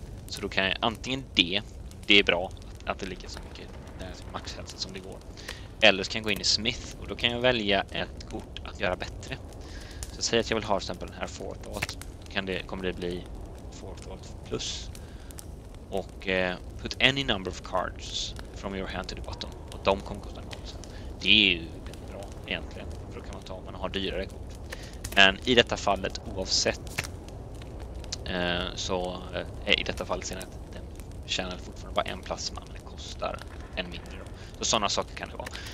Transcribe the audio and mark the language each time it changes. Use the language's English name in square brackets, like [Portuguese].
[Swedish] Så då kan jag antingen det är bra att det ligger så mycket maxhälsa som det går. Eller så kan jag gå in i Smith och då kan jag välja ett kort att göra bättre. Så säg att jag vill ha till exempel den här Forethought. Kommer det bli Forethought plus. Och [English] put any number of cards from your hand to the bottom. [Swedish] Och de kommer kosta noll sen. Det är ju bra egentligen. Kan man ta om man har dyrare kort. Men i detta fallet oavsett så är i detta fallet sen att den tjänar fortfarande bara en plasma men det kostar en mindre då. Så sådana saker kan det vara.